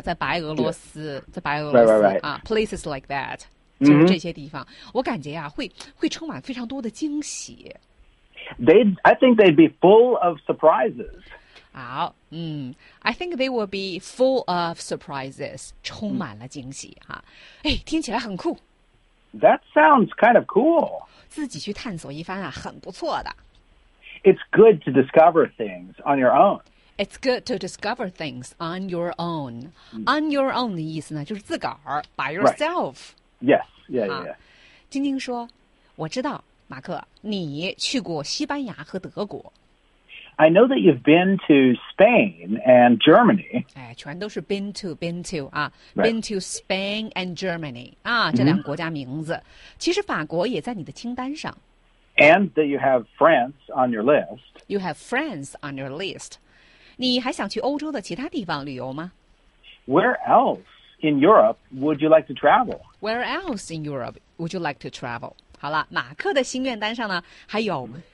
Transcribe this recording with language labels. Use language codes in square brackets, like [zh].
[zh] 在白俄罗斯，在白俄罗斯啊。 [en] Places like that, [zh] 就是这些地方。我感觉呀，会充满非常多的惊喜。 [en] I think they'd be full of surprises. 好，I think they will be full of surprises, [zh] 充满了惊喜哈。哎，听起来很酷。 [en] That sounds kind of cool. [zh] 自己去探索一番啊，很不错的。 [en] It's good to discover things on your own. It's good to discover things on your own. On your own [zh] 的意思呢，就是自个儿 [en] by yourself. Right. Yes, yeah, yeah, yeah. [zh] 晶晶说，我知道，马克，你去过西班牙和德国。 [en] I know that you've been to Spain and Germany. [zh] 哎，全都是 been to 啊、right. ， [en] been to Spain and Germany [zh] 啊，这两个国家名字。其实法国也在你的清单上。 [en] And that you have France on your list. You have France on your list. [zh] 你还想去欧洲的其他地方旅游吗 [en] ？Where else in Europe would you like to travel? Where else in Europe would you like to travel? [zh] 好了，马克的心愿单上呢还有。